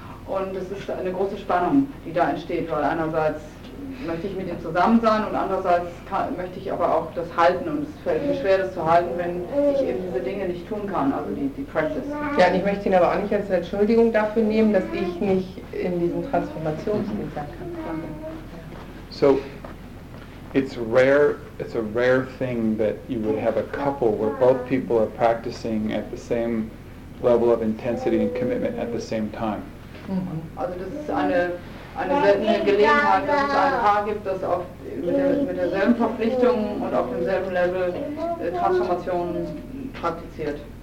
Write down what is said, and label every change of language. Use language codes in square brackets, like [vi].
[de] Und es ist eine große Spannung, die da entsteht, weil einerseits möchte ich mit ihm zusammen sein und andererseits möchte ich aber auch das halten. Und es fällt mir schwer, das zu halten, wenn ich eben diese Dinge nicht tun kann, also die Practice. Ja, und ich möchte ihn aber auch nicht als Entschuldigung dafür nehmen, dass ich nicht in diesem Transformationsprozess sein kann. [en] So. It's rare. It's a rare thing that you would have a couple where both people are practicing at the same level of intensity and commitment at the same time. Mm-hmm. [de] Also, das ist eine seltene Gelegenheit, dass es ein Paar gibt, das auf mit der selben Verpflichtung und auf demselben Level Transformation praktiziert.